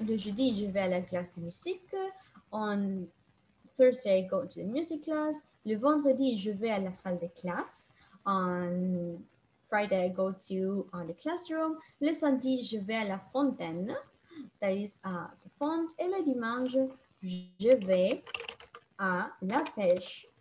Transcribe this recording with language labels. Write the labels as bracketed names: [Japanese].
[French] Le jeudi, je vais à la classe de musique. [English] On Thursday, I go to the music class. [French] Le vendredi, je vais à la salle de classe. [English] On Friday, I go to the classroom. [French] Le samedi, je vais à la fontaine. [English] That is the font. [French] Et le dimanche, je vais à la pêche.